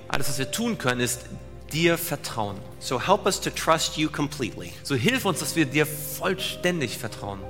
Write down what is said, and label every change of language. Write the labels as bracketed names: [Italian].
[German] Alles, was wir tun können, ist dir vertrauen. [English] So help us to trust you completely. [German] So hilf uns, dass wir dir vollständig vertrauen.